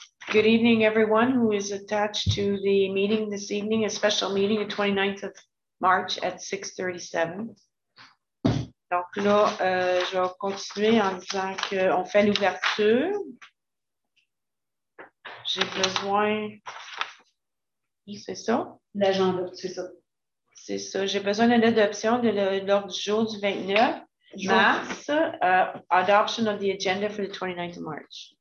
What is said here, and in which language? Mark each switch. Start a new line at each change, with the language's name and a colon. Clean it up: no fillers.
English: Good evening, everyone who is attached to the meeting this evening, a special meeting the 29th of March at 6:37.
French: Donc là, je vais continuer en disant qu'on fait l'ouverture. J'ai besoin... C'est ça? L'agenda, c'est ça. C'est ça. J'ai besoin d'une adoption de l'ordre du jour du 29 mars.
English: Adoption of the agenda for the 29th of March.